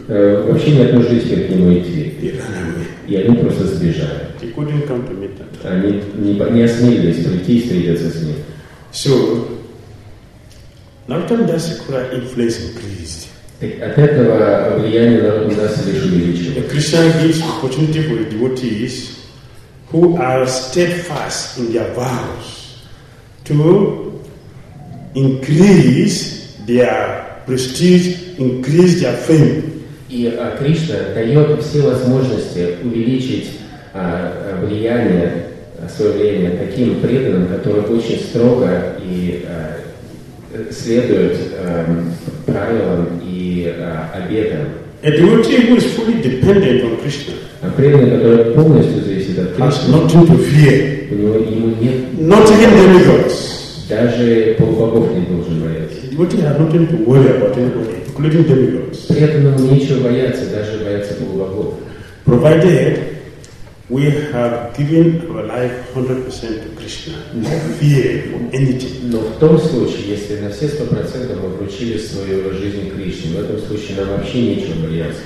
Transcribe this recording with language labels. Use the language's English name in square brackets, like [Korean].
[Russian] Вообще нет нужды к нему идти. И они просто сбежали. [English] They couldn't come to meet Narata. [Russian] Они не осмелились прийти и встретиться с ним. [English] So Наратундаса Курама influence increased. [Russian] От этого влияние Наратундаса лишь увеличилось. [English] Krishna gives opportunity for the devotees who are steadfast in their vows to increase their prestige, increase their fame. [Russian] И Кришна дает все возможности увеличить влияние свое время таким преданным, которые очень строго и следуют правилам и обетам. [English] A devotee who is fully dependent on Krishna. [Russian] А преданный, который полностью зависит от Кришны. [English] Nothing to fear. [Russian] У него нет. [English] Not even demigods. [Russian] Даже полубогов не должен бояться. [English] Devotee has nothing to worry about anybody, including demigods. [Russian] Преданному нечего бояться, даже бояться полубогов. [English] Provided we have given our life 100% to Krishna, no fear for anything. [Russian] Но в том случае, если на все 100% мы вручили свою жизнь Кришне, в этом случае нам вообще нечего бояться.